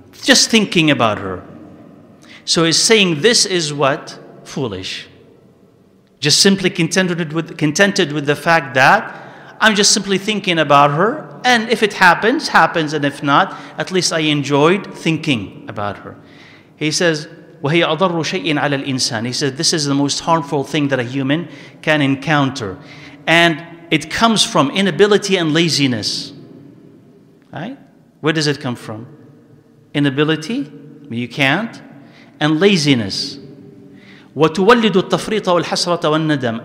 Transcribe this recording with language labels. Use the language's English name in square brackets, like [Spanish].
[English] Just thinking about her. So he's saying, this is what? Foolish. Just simply contented with the fact that I'm just simply thinking about her, and if it happens, happens, and if not, at least I enjoyed thinking about her. He says, [Arabic] وَهِيَ أَضَرُّ شَيْءٍ عَلَى الْإِنسَانِ. [English] He says, this is the most harmful thing that a human can encounter. And it comes from inability and laziness. Right? Where does it come from? Inability, you can't, and laziness. [Arabic] وَتُوَلِّدُ التَّفْرِيطَ وَالْحَسْرَةَ وَالنَّدَمِ.